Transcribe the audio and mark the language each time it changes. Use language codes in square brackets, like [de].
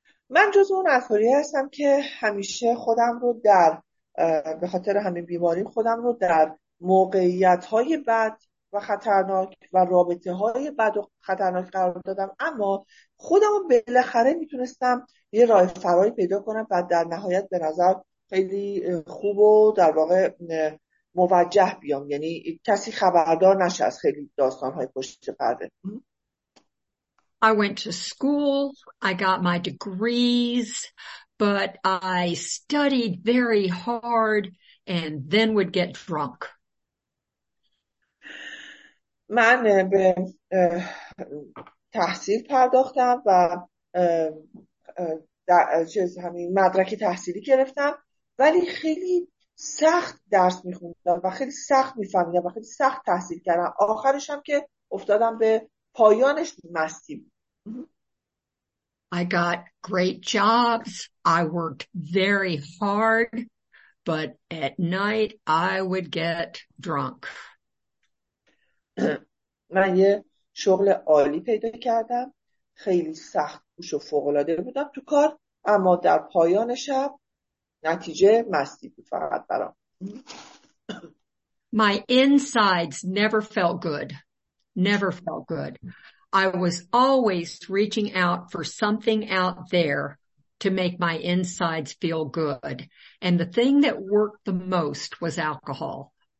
[fa] من جز اون افرادی هستم که همیشه خودم رو در به خاطر همین بیماری خودم رو در موقعیت‌های بد و خطرناک و رابطه‌های بد و خطرناک قرار دادم، اما خودم بالاخره میتونستم یه راه فراری پیدا کنم و در نهایت به نظر خیلی خوب و در واقع موجه بیام، یعنی کسی خبردار نشه از خیلی داستان‌های پشت پرده. [en] I went to school, I got my degrees, but I studied very hard and then would get drunk. [fa] من به تحصیل پرداختم و در چیز همین مدرک تحصیلی گرفتم، ولی خیلی سخت درس میخوندم و خیلی سخت میفهمیدم و خیلی سخت تحصیل کردم. آخرش هم که افتادم به پایانش مستی. [en] I got great jobs. I worked very hard, but at night I would get drunk. [fa] من یه شغل عالی پیدا کردم. خیلی سخت کوش و فوق‌العاده بودم تو کار، اما در پایان شب نتیجه مستی بود فقط برام. [en] My insides never felt good. Never felt good. I was always reaching out for something out there to make my insides feel good. And the thing that worked the most was alcohol.